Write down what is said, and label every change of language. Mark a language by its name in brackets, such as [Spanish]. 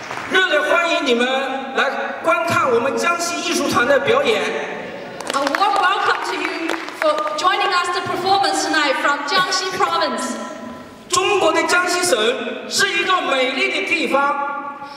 [Chinese] 热烈欢迎你们来观看我们江西艺术团的表演。 [English] A warm welcome to you for joining us the performance tonight from Jiangxi Province. [Chinese] 中国的江西省是一个美丽的地方。